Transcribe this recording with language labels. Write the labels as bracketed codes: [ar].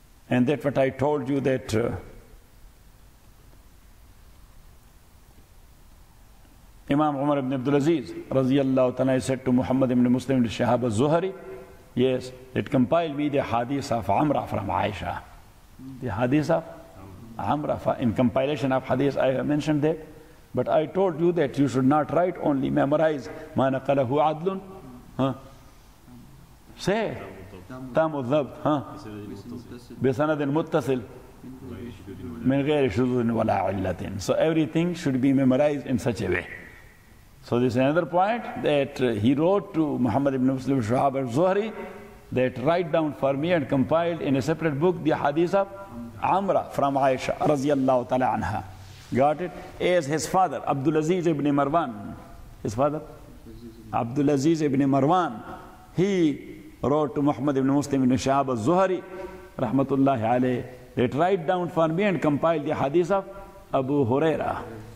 [en] And that's what I told you, that Imam Umar ibn Abdul Aziz radiallahu ta'ala said to Muhammad ibn Muslim ibn Shahab al-Zuhari, yes, it compiled me the hadith of Amra from Aisha. The hadith of Amra, in compilation of hadith, I have mentioned that. But I told you that you should not write, only memorize. [ar] Ma naqalahu adlun. [en] Huh? Say. [ar] تام الضبط ها بسند متصل من غير شذوذ ولا عله. [en] So everything should be memorized in such a way. So this is another point that he wrote to Muhammad ibn Muslim Shahab al-Zuhri, that write down for me and compiled in a separate book the hadith of Amra from Aisha radiallahu ta'ala anha. Got it? As his father, Abdul Aziz ibn Marwan, his father, Abdul Aziz ibn Marwan, he wrote to Muhammad ibn Muslim ibn Shahab al-Zuhri, rahmatullahi alayh, that write down for me and compile the hadith of Abu Huraira.